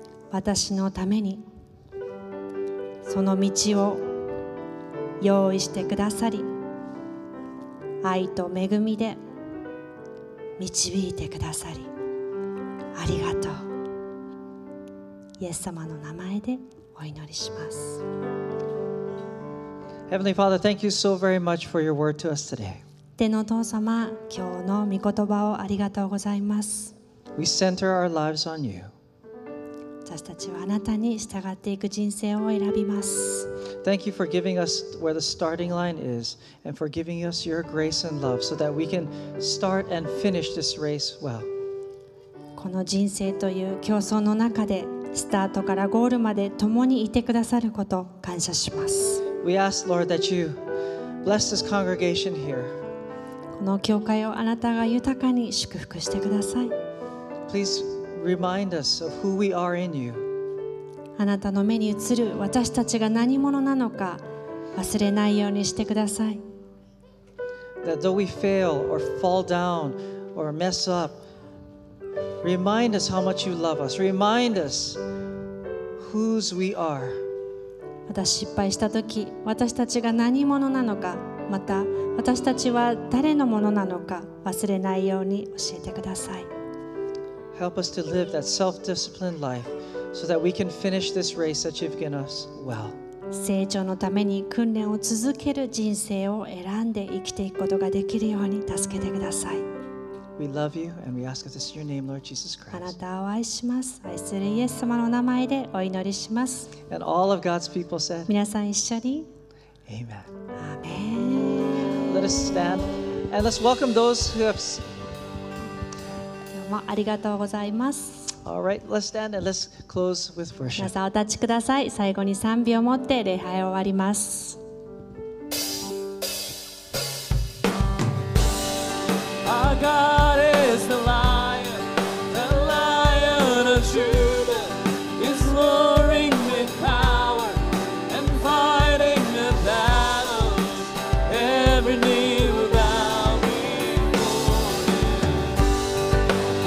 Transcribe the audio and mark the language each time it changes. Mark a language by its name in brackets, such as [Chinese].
[Japanese] 私のためにその道を用意してくださり、愛と恵みで導いてくださり、ありがとう。イエス様の名前でお祈りします。 [English] Heavenly Father, thank you so very much for your word to us today. [Japanese] 天のお父様、今日の御言葉をありがとうございます。 [English] We center our lives on you. [Japanese] 私たちはあなたに従っていく人生を選びます。 [English] Thank you for giving us where the starting line is and for giving us your grace and love so that we can start and finish this race well. [Japanese] この人生という競争の中でスタートからゴールまで共にいてくださること感謝します。 [English] We ask, Lord, that you bless this congregation here. [Japanese] この教会をあなたが豊かに祝福してください。 [English] Please. Remind us of who we are in you. [Japanese] あなたの目に映る私たちが何者なのか忘れないようにしてください。 [English] That though we fail or fall down or mess up, remind us how much you love us. Remind us whose we are. [Japanese] また失敗した時、私たちが何者なのか、また私たちは誰のものなのか忘れないように教えてください。 [English] Help us to live that self-disciplined life so that we can finish this race that you've given us well. [Japanese] 成長のために訓練を続ける人生を選んで生きていくことができるように助けてください。 [English] We love you and we ask this in your name, Lord Jesus Christ. [Japanese] あなたを愛します。愛するイエス様の名前でお祈りします。 [English] And all of God's people said, [Japanese] 皆さん一緒に。 [English] Amen. Amen. Let us stand and let's welcome those who have. [Japanese] 今日もありがとうございます。 [English] All right, let's stand and let's close with worship. [Japanese] 皆さんお立ちください。最後に賛美を持って礼拝を終わります。 [English] God is the Lion, the Lion of Judah, is roaring with power and fighting the battles. Every knee will bow before Him.